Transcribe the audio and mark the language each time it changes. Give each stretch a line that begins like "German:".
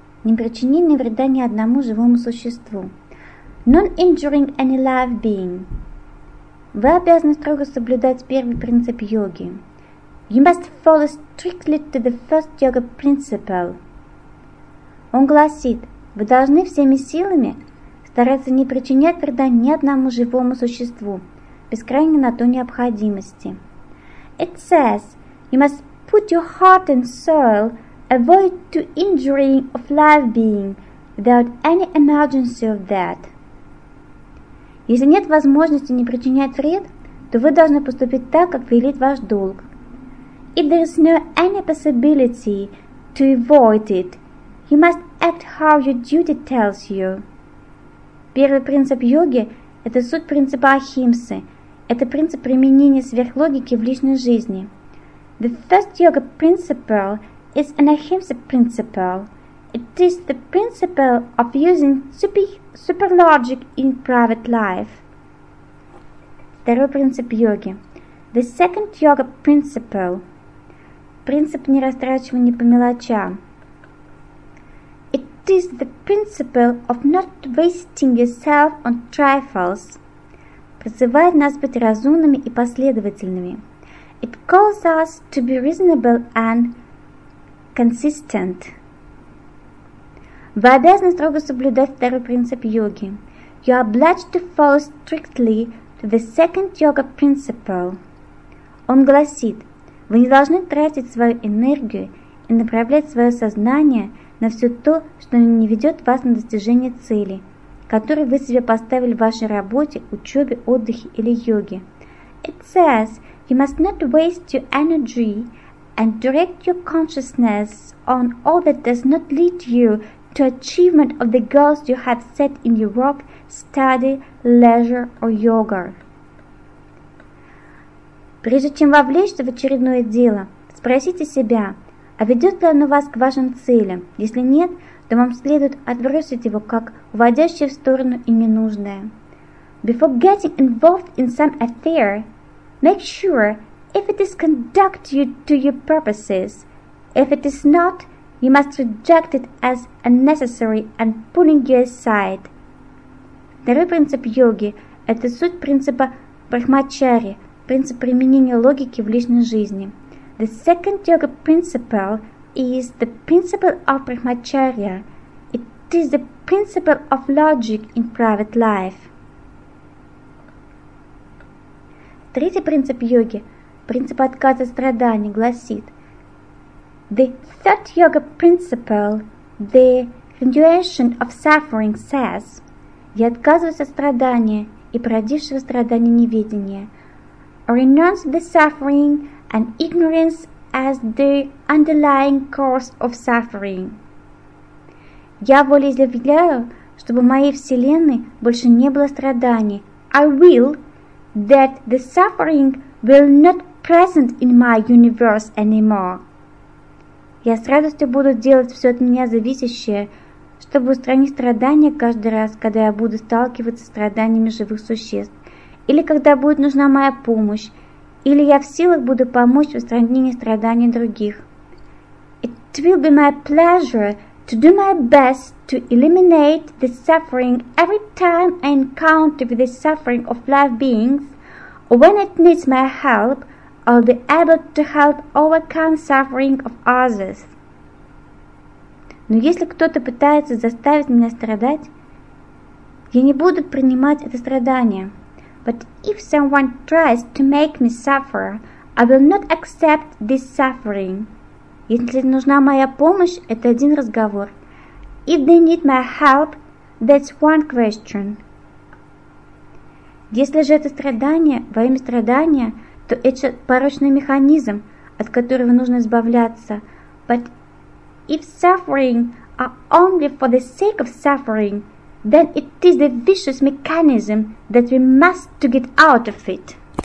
Russian: Непричинение вреда ни одному живому существу.
English: Non-injuring any live being.
Russian: Вы обязаны строго соблюдать первый принцип йоги.
English: You must follow strictly to the first yoga principle.
Russian: Он гласит, вы должны всеми силами стараться не причинять вреда ни одному живому существу, без крайней на то необходимости.
English: It says, you must put your heart and soul, avoid to injuring of live being, without any emergency of that.
Russian: Если нет возможности не причинять вред, то вы должны поступить так, как велит ваш долг.
English: If there is no any possibility to avoid it, you must act how your duty tells you.
Russian: Первый принцип йоги – это суть принципа ахимсы. Это принцип применения сверхлогики в личной жизни.
English: The first yoga principle is an ahimsa principle. It is the principle of using super logic in private life.
Russian: Второй принцип йоги.
English: The second yoga principle.
Russian: Принцип нерастрачивания по мелочам.
English: It is the principle of not wasting yourself on trifles.
Russian: Призывает нас быть разумными и последовательными.
English: It calls us to be reasonable and consistent.
Russian: Вы обязаны строго соблюдать второй принцип йоги.
English: You are obliged to follow strictly to the second yoga principle.
Russian: Он гласит, вы не должны тратить свою энергию и направлять свое сознание на все то, что не ведет вас на достижение цели, который вы себе поставили в вашей работе, учебе, отдыхе или йоге.
English: It says, you must not waste your energy and direct your consciousness on all that does not lead you to achievement of the goals you have set in your work, study, leisure or yoga.
Russian: Прежде чем вовлечься в очередное дело, спросите себя, а ведет ли оно вас к вашим целям? Если нет, то вам следует отбросить его как уводящее в сторону и ненужное.
English: Before getting involved in some affair, make sure if it is conduct you to your purposes. If it is not, you must reject it as unnecessary and pulling you aside.
Russian: Второй принцип йоги – это суть принципа брахмачари, принцип применения логики в личной жизни.
English: The second yoga principle – is the principle of brahmacharya. It is the principle of logic in private life.
Russian: Третий принцип йоги, принцип отказа от страданий, гласит
English: The third yoga principle, the renunciation of suffering, says
Russian: Я отказываюсь от страдания и породившего страдания неведения.
English: Renounce the suffering and ignorance as the underlying cause of suffering.
Russian: Я волеизъявляю, чтобы в моей вселенной больше не было страданий.
English: I will that the suffering will not present in my universe anymore.
Russian: Я с радостью буду делать все от меня зависящее, чтобы устранить страдания каждый раз, когда я буду сталкиваться с страданиями живых существ, или когда будет нужна моя помощь, или я в силах буду помочь в устранении страданий других.
English: It will be my pleasure to do my best to eliminate the suffering every time I encounter with the suffering of live beings, or when it needs my help, I'll be able to help overcome suffering of others.
Russian: Но если кто-то пытается заставить меня страдать, я не буду принимать это страдание.
English: But if someone tries to make me suffer, I will not accept this suffering.
Russian: Если нужна моя помощь, это один разговор.
English: If they need my help, that's one question.
Russian: Если же это страдание во имя страдания, то это порочный механизм, от которого нужно избавляться.
English: But if suffering are only for the sake of suffering, then it is the vicious mechanism that we must to get out of it.